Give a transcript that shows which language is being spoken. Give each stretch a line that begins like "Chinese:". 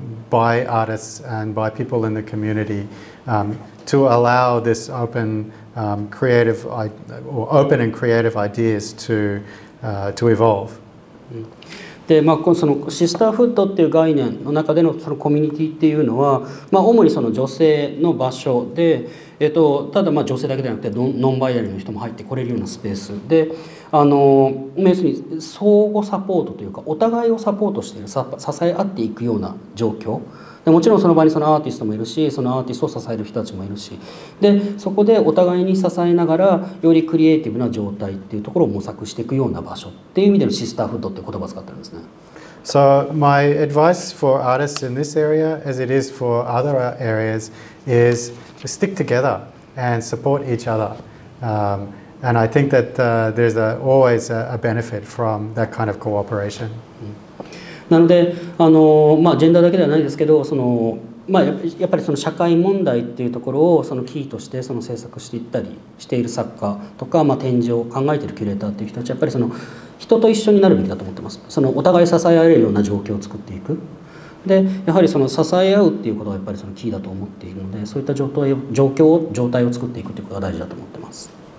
English: by artists and by people in the community to allow this open creative or open and creative ideas to evolve.
Japanese: で、そのシスターフッドっていう概念の中で の, そのコミュニティっていうのは、主にその女性の場所で、ただ女性だけではなくてノンバイナリーの人も入ってこれるようなスペースで、要するに相互サポートというかお互いをサポートしている支え合っていくような状況で、もちろんその場にそのアーティストもいるし、そのアーティストを支える人たちもいるし、でそこでお互いに支えながらよりクリエイティブな状態っていうところを模索していくような場所っていう意味でのシスターフッドっていう言葉を使ってるんですね。
English: So my advice for artists in this area, as it is for other areas, is stick together and support each other. And I think that there's always a benefit from that kind of cooperation.
Japanese: なので、ジェンダーだけではないですけど、その、やっぱりその社会問題っていうところをそのキーとしてその制作していったりしている作家とか、展示を考えているキュレーターっていう人たちは、やっぱりその人と一緒になるべきだと思ってます。そのお互い支え合えるような状況を作っていく。で、やはりその支え合うっていうことがやっぱりそのキーだと思っているので、そういった状態を作っていくっていうことが大事だと思ってます。